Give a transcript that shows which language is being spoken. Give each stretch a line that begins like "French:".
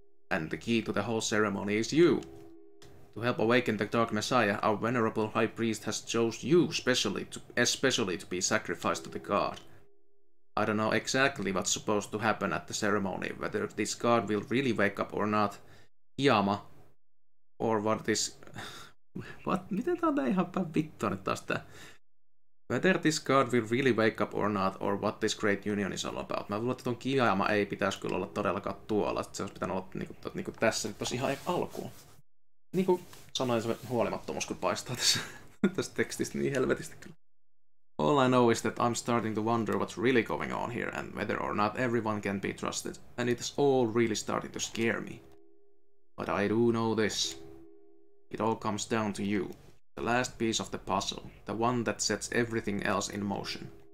English: And the key to the whole ceremony is you. To help awaken the Dark Messiah, our venerable high priest has chose you especially to be sacrificed to the god. I don't know exactly what's supposed to happen at the ceremony, whether this god will really wake up or not. Yama. Or what this... what?
Finnish: Miten tää on näin ihan päin vittua nyt taas tää?
English: Whether this god will really wake up or not, or what this great union is all about.
Finnish: Mä luulen, että ton Kiyama ei pitäisi kyllä olla todellakaan tuolla. Se olisi pitänyt olla niinku tässä nyt tosi ihan alkuun. Niin kuin sanoin, se huolimattomuus kun paistaa tässä tekstistä niin helvetistä kyllä.
English: All I know is that I'm starting to wonder what's really going on here and whether or not everyone can be trusted. And it's all really starting to scare me. But I do know this. It all comes down to you. The last piece of the puzzle. The one that sets everything else in motion.